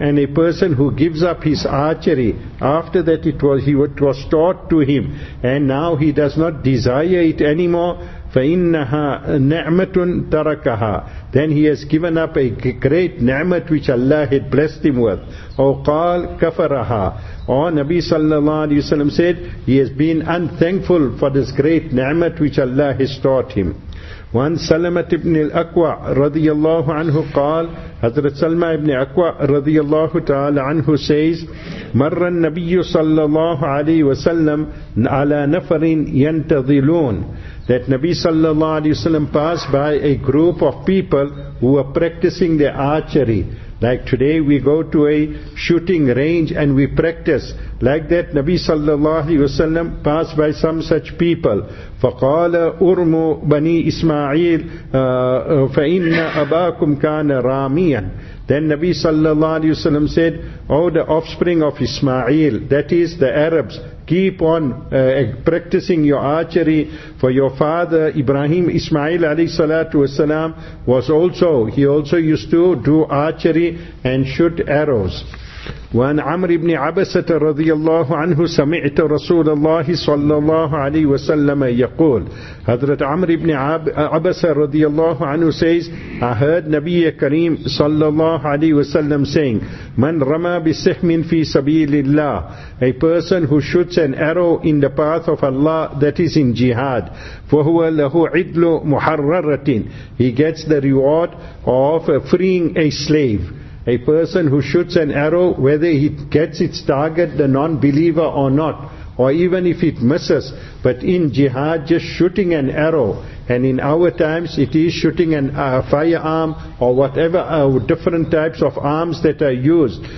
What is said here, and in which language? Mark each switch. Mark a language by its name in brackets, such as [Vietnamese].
[English] And a person who gives up his archery after that it was taught to him, and now he does not desire it anymore, [Arabic] فَإِنَّهَا نِعْمَةٌ تَرَكَهَا. [English] Then he has given up a great ni'mat which Allah had blessed him with. [Arabic] أو قال كَفَرَهَا. [English] Or Nabi sallallahu alayhi wa sallam said, he has been unthankful for this great ni'mat which Allah has taught him. [Arabic] وعن سلمة بن الأكوع رضي الله عنه قال حضرت سلمة بن أكوع رضي الله تعالى عنه [English] says [Arabic] مر النبي صلى الله عليه وسلم على نفر ينتظرون, [English] that Nabi sallallahu alayhi wa sallam passed by a group of people who were practicing their archery. Like today we go to a shooting range and we practice. Like that Nabi sallallahu alayhi wa sallam passed by some such people. [Arabic] فَقَالَ أُرْمُوا بَنِي إِسْمَعِيلَ فَإِنَّ أَبَاكُمْ كَانَ رَامِيًا. [English] Then Nabi sallallahu alayhi wa sallam said, oh, the offspring of Ismail, that is the Arabs, keep on practicing your archery, for your father Ibrahim Ismail alayhi salatu wasalam was also, he also used to do archery and shoot arrows. [Arabic] وعن عمر بن عبسة رضي الله عنه سمعت رسول الله صلى الله عليه وسلم يقول, حضرت عمر بن عبسة رضي الله عنه [English] says I heard [Arabic] نبي كريم صلى الله عليه وسلم [English] saying [Arabic] من رمى بسهم في سبيل الله, [English] a person who shoots an arrow in the path of Allah, that is in jihad, [Arabic] فهو له عدل محررة, [English] he gets the reward of freeing a slave. A person who shoots an arrow, whether he gets its target, the non-believer or not, or even if it misses, but in jihad, just shooting an arrow, and in our times, it is shooting a firearm or whatever different types of arms that are used.